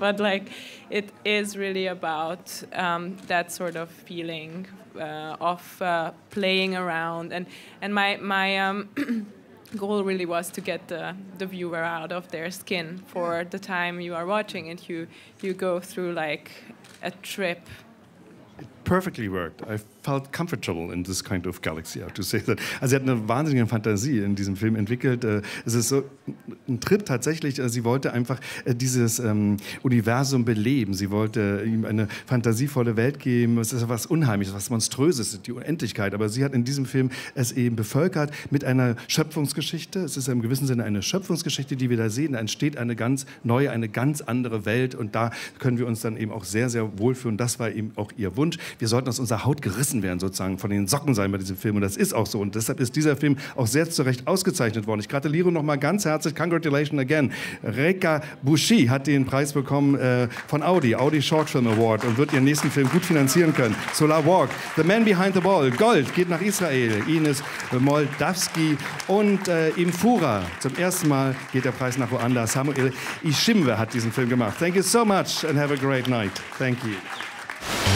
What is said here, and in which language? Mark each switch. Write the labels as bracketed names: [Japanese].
[English] But like it is really about that sort of feeling of playing around, and my goal really was to get the viewer out of their skin for the time you are watching it. You go through like a trip. It perfectly worked. I felt comfortable in this kind of galaxy, I have to say that. [German] Also sie hat eine wahnsinnige Fantasie in diesem Film entwickelt. Es ist so ein Trip tatsächlich. Sie wollte einfach dieses Universum beleben. Sie wollte ihm eine fantasievolle Welt geben. Es ist etwas Unheimliches, was Monströses, die Unendlichkeit. Aber sie hat in diesem Film es eben bevölkert mit einer Schöpfungsgeschichte. Es ist im gewissen Sinne eine Schöpfungsgeschichte, die wir da sehen. Da entsteht eine ganz neue, eine ganz andere Welt. Und da können wir uns dann eben auch sehr, sehr wohlfühlen. Das war eben auch ihr Wunsch. Wir sollten aus unserer Haut gerissen werden, sozusagen von den Socken sein bei diesem Film. Und das ist auch so. Und deshalb ist dieser Film auch sehr zu Recht ausgezeichnet worden. Ich gratuliere nochmal ganz herzlich. [English] Congratulations again. [German] Reka Bushi hat den Preis bekommen von Audi. Audi Short Film Award und wird ihren nächsten Film gut finanzieren können. Solar Walk, The Man Behind the Ball. Gold geht nach Israel. Ines Moldavski und Imfura. Zum ersten Mal geht der Preis nach Ruanda. [English] Samuel Ishimwe [German] hat diesen Film gemacht. [English] Thank you so much and have a great night. Thank you.